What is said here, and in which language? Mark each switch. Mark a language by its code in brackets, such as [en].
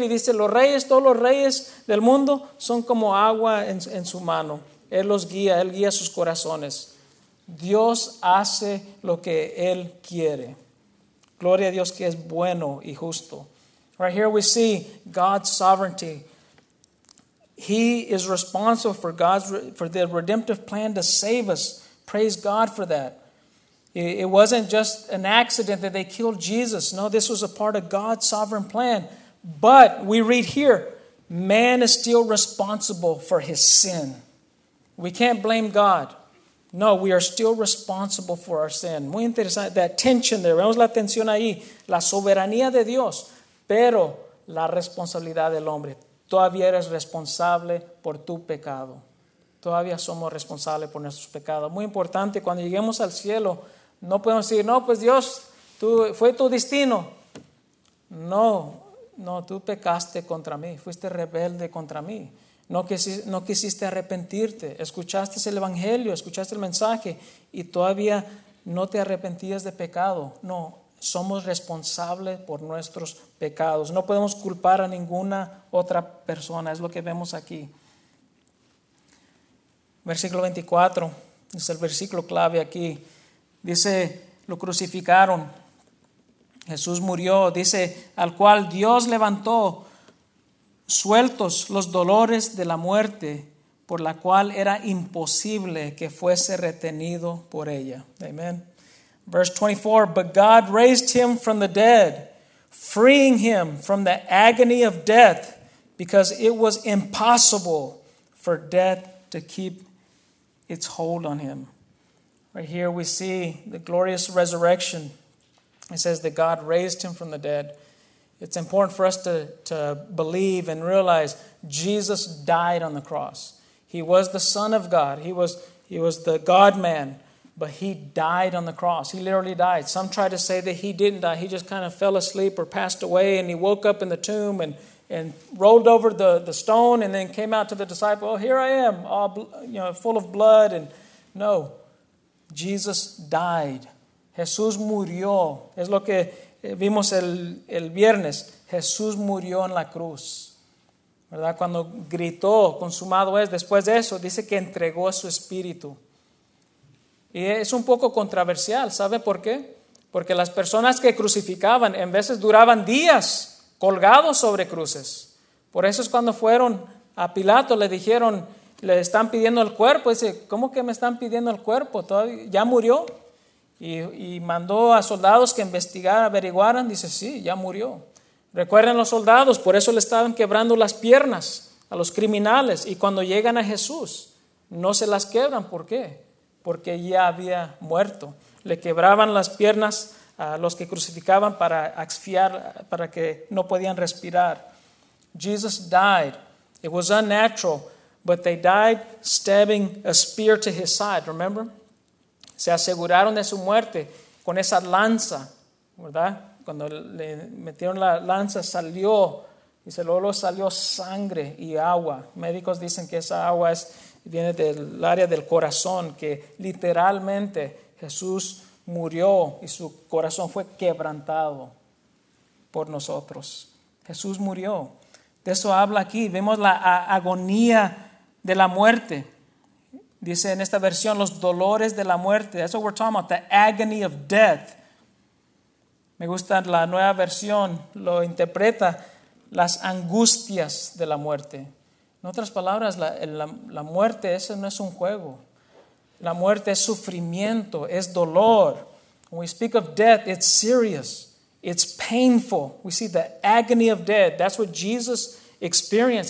[es] Y dice, los reyes, todos los reyes del mundo son como agua en su mano. Él los guía, Él guía sus corazones. Dios hace lo que Él quiere. Gloria a Dios que es bueno y justo. [en] Right here we see God's sovereignty. He is responsible for God's for the redemptive plan to save us. Praise God for that. It wasn't just an accident that they killed Jesus. No, this was a part of God's sovereign plan. But we read here, man is still responsible for his sin. We can't blame God. No, we are still responsible for our sin. [es] Muy interesante, [en] that tension there. [es] Vemos la tensión ahí. La soberanía de Dios, pero la responsabilidad del hombre. Todavía eres responsable por tu pecado. Todavía somos responsables por nuestros pecados. Muy importante, cuando lleguemos al cielo, no podemos decir, no, pues Dios, tú, fue tu destino. No, no, tú pecaste contra mí. Fuiste rebelde contra mí. No quisiste arrepentirte. Escuchaste el evangelio, escuchaste el mensaje y todavía no te arrepentías de pecado. No, somos responsables por nuestros pecados. No podemos culpar a ninguna otra persona. Es lo que vemos aquí. Versículo 24 es el versículo clave aquí. Dice, lo crucificaron. Jesús murió. Dice, al cual Dios levantó, sueltos los dolores de la muerte, por la cual era imposible que fuese retenido por ella. [en] Amen. Verse 24, but God raised him from the dead, freeing him from the agony of death, because it was impossible for death to keep its hold on him. Right here we see the glorious resurrection. It says that God raised him from the dead. It's important for us to believe and realize Jesus died on the cross. He was the Son of God. He was the God-man, but he died on the cross. He literally died. Some try to say that he didn't die. He just kind of fell asleep or passed away, and he woke up in the tomb and rolled over the stone and then came out to the disciple. Oh, here I am, all full of blood. And no, Jesus died. [es] Jesús murió. Es lo que vimos el viernes. Jesús murió en la cruz, ¿verdad? Cuando gritó, consumado es. Después de eso, dice que entregó a su espíritu. Y es un poco controversial, ¿sabe por qué? Porque las personas que crucificaban, en veces duraban días colgados sobre cruces. Por eso es cuando fueron a Pilato, le dijeron, le están pidiendo el cuerpo. Dice, ¿cómo que me están pidiendo el cuerpo? ¿Todavía? ¿Ya murió? Y mandó a soldados que investigaran, averiguaran. Dice, sí, ya murió. Recuerden los soldados, por eso le estaban quebrando las piernas a los criminales. Y cuando llegan a Jesús, no se las quebran. ¿Por qué? Porque ya había muerto. Le quebraban las piernas a los que crucificaban para asfixiar, para que no podían respirar. [en] Jesus died. It was unnatural, but they died stabbing a spear to his side, remember? [es] Se aseguraron de su muerte con esa lanza, ¿verdad? Cuando le metieron la lanza, salió, y luego salió sangre y agua. Médicos dicen que esa agua viene del área del corazón, que literalmente Jesús murió y su corazón fue quebrantado por nosotros. Jesús murió. De eso habla aquí. Vemos la agonía de la muerte. Dice en esta versión, los dolores de la muerte. [en] That's what we're talking about, the agony of death. [es] Me gusta la nueva versión, lo interpreta, las angustias de la muerte. En otras palabras, la muerte, eso no es un juego. La muerte es sufrimiento, es dolor. [en] When we speak of death, it's serious. It's painful. We see the agony of death. That's what Jesus experienced.